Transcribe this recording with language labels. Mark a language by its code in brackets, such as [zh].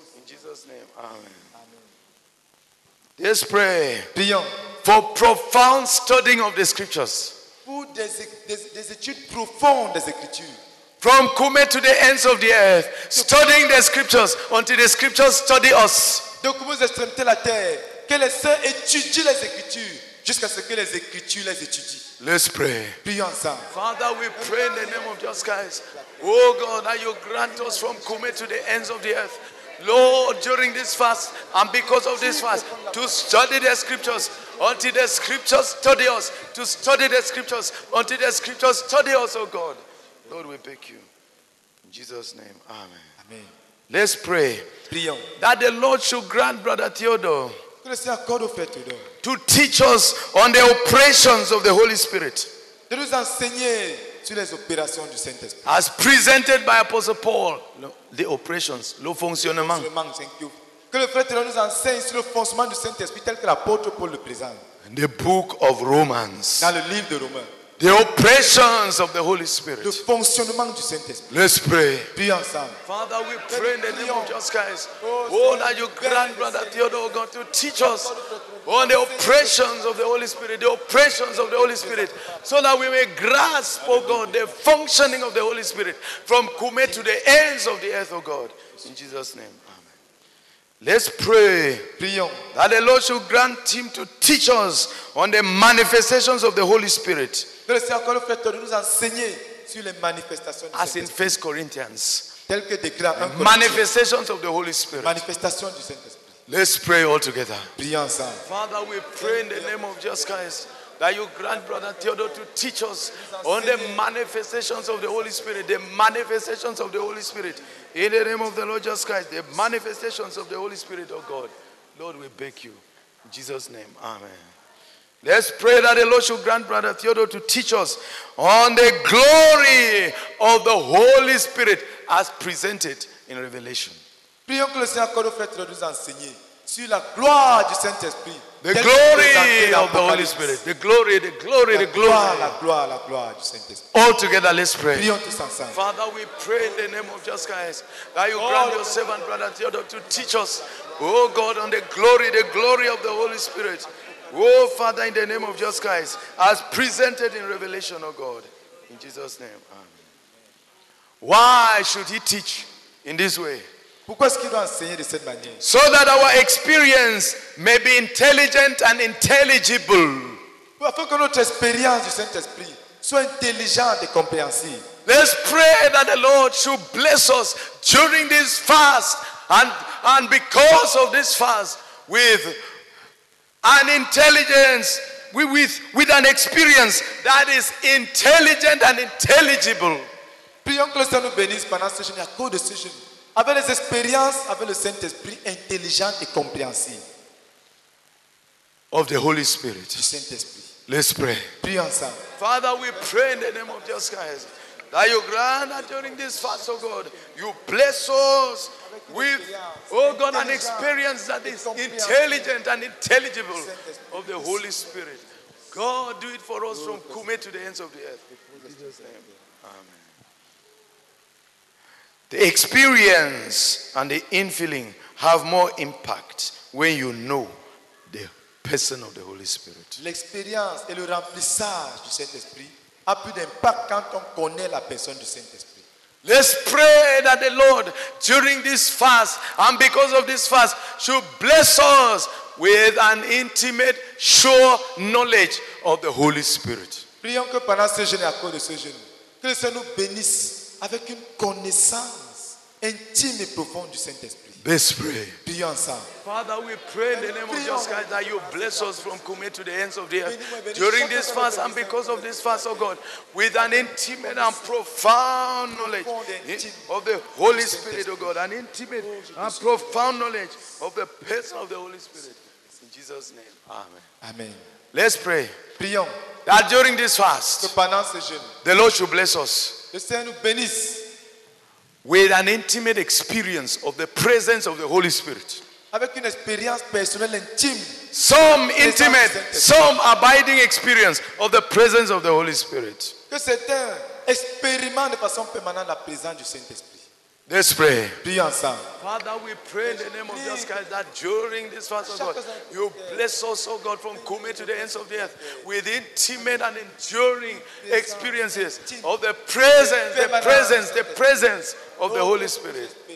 [en] In Jesus' name, amen. Let's pray. [fr] Prions. [en] For profound studying of the scriptures. [fr] Pour des études profondes des écritures. [en] From Kume to the ends of the earth, studying the scriptures until the scriptures study us. [fr] De Kume aux extrémités de la terre, que les saints étudient les écritures jusqu'à ce que les écritures les étudient. [en] Let's pray. [fr] Prions ensemble. [en] Father, we pray in the name of Jesus Christ. Oh God, that you grant us from Kume to the ends of the earth. Lord, during this fast and because of this fast, to study the scriptures until the scriptures study us, to study the scriptures until the scriptures study us, oh God. Lord, we beg you. In Jesus' name, amen. Amen. Let's pray. Prions. That the Lord should grant Brother Theodore to teach us on the operations of the Holy Spirit. [fr] De nous enseigner sur les opérations du Saint-Esprit. [en] As presented by Apostle Paul, the operations, [fr] le fonctionnement. Que le frère nous enseigne sur le fonctionnement du Saint-Esprit tel que l'apôtre Paul le présente. [en] The book of Romans. [fr] Dans le livre de Romains. [en] The operations of the Holy Spirit. [fr] Le fonctionnement du Saint-Esprit. [en] Let's pray. [fr] Prions ensemble. [en] Father, we pray in the name of Jesus Christ. Oh, that you grant Brother Theodore God to teach us on the operations of the Holy Spirit. The operations of the Holy Spirit. So that we may grasp, oh God, the functioning of the Holy Spirit from Kume to the ends of the earth, oh God. In Jesus' name. Amen. Let's pray. [fr] Prions. [en] That the Lord should grant him to teach us on the manifestations of the Holy Spirit. [fr] Que le Seigneur le fait de nous enseigner sur les manifestations du Saint-Esprit. [en] As in 1 Corinthians. [fr] Tel que des graves. [en] Manifestations of the Holy Spirit. [fr] Manifestations du Saint-Esprit. [en] Let's pray all together. [fr] Prions ensemble. [en] Father, we pray in the name of Jesus Christ that you grant Brother Theodore to teach us on the manifestations of the Holy Spirit, the manifestations of the Holy Spirit. In the name of the Lord Jesus Christ, the manifestations of the Holy Spirit of God. Lord, we beg you. In Jesus' name, amen. Let's pray that the Lord should grant Brother Theodore to teach us on the glory of the Holy Spirit as presented in Revelation. [fr] Prions que le Seigneur accorde au frère Théodore de nous enseigner sur la gloire du Saint-Esprit. [en] The glory of the Holy Spirit. The glory. [fr] La gloire du Saint-Esprit. [en] All together, let's pray. [fr] Prions tous ensemble. [en] Father, we pray in the name of Jesus Christ that you grant your servant, Brother Theodore, to teach us, oh God, on the glory of the Holy Spirit. Oh, Father, in the name of Jesus Christ, as presented in Revelation, oh God, in Jesus' name, amen. Why should he teach in this way? [fr] Pourquoi est-ce qu'il doit enseigner de cette manière? [en] So that our experience may be intelligent and intelligible. [fr] Afin que notre expérience du Saint-Esprit soit intelligente et compréhensible. [en] Let's pray that the Lord should bless us during this fast and because of this fast with an intelligence, with an experience that is intelligent and intelligible. [fr] Prions que le Seigneur nous bénisse pendant ce jeûne, à cause de ce jeûne, avec les expériences, avec le Saint-Esprit intelligent et compréhensible. [en] Of the Holy Spirit. [fr] Du Saint-Esprit. [en] Let's pray. [fr] Prions ensemble. [en] Father, we pray in the name of Jesus Christ that you grant that during this fast, oh God, you bless us with, oh God, an experience that is intelligent and intelligible of the Holy Spirit. God, do it for us from Kume to the ends of the earth. Amen. The experience and the infilling have more impact when you know the person of the Holy Spirit. [fr] L'expérience et le remplissage du Saint-Esprit a plus d'impact quand on connaît la personne du Saint-Esprit. [en] Let's pray that the Lord, during this fast and because of this fast, should bless us with an intimate, sure knowledge of the Holy Spirit. [fr] Prions que pendant ce jeûne, à cause de ce jeûne, que le Seigneur nous bénisse avec une connaissance intime et profonde du Saint-Esprit. [en] Let's pray. [fr] Prions ensemble. [en] Father, we pray in the name of Jesus Christ that you bless us from Kume to the ends of the earth during this fast and because of this fast, oh God, with an intimate and profound knowledge of the Holy Spirit, oh God, an intimate and profound knowledge of the person of the Holy Spirit. In Jesus' name. Amen. Amen. Let's pray. [fr] Prions. [en] That during this fast, the Lord should bless us. [fr] Le Seigneur nous bénisse. [en] With an intimate experience of the presence of the Holy Spirit. [fr] Avec une expérience personnelle intime. [en] Some intimate, some abiding experience of the presence of the Holy Spirit. [fr] Que c'est un expériment de façon permanente la présence du Saint-Esprit. [en] Let's pray. [fr] Prions ensemble. [en] Father, we pray in the name of Jesus Christ that during this fast, oh God, you bless us, oh God, from Kume to the ends of the earth with intimate and enduring experiences of the presence of the Holy Spirit.